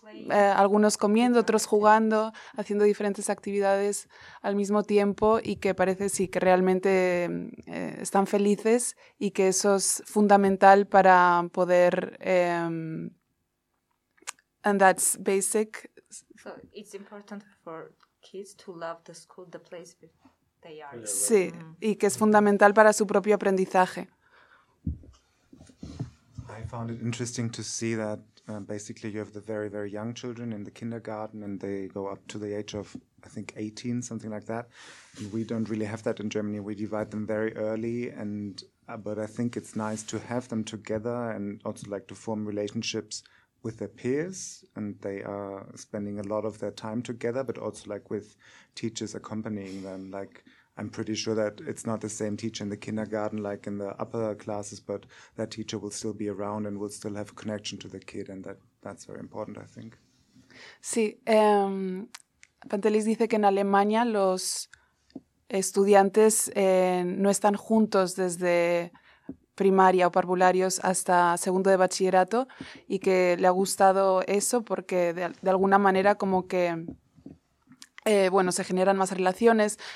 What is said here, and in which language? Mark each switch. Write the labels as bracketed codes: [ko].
[es] algunos comiendo, otros jugando, haciendo diferentes actividades al mismo tiempo, y que parece, sí, que realmente están felices y que eso es fundamental para poder... [en] and that's basic. So it's important for kids to love the school, the place they are. [es] Sí, y que es fundamental para su propio aprendizaje. [en] I found it interesting to see that basically you have the very, very young children in the kindergarten, and they go up to the age of, I think, 18, something like that. And we don't really have that in Germany. We divide them very early, but I think it's nice to have them together and also like to form relationships with their peers, and they are spending a lot of their time together, but also like with teachers accompanying them. Like, I'm pretty sure that it's not the same teacher in the kindergarten like in the upper classes, but that teacher will still be around and will still have a connection to the kid, and that's very important, I think. [es] Sí, Pantelis dice que en Alemania los estudiantes no están juntos desde primaria o parvularios hasta segundo de bachillerato, y que le ha gustado eso porque de alguna manera como que, bueno, se generan más relaciones.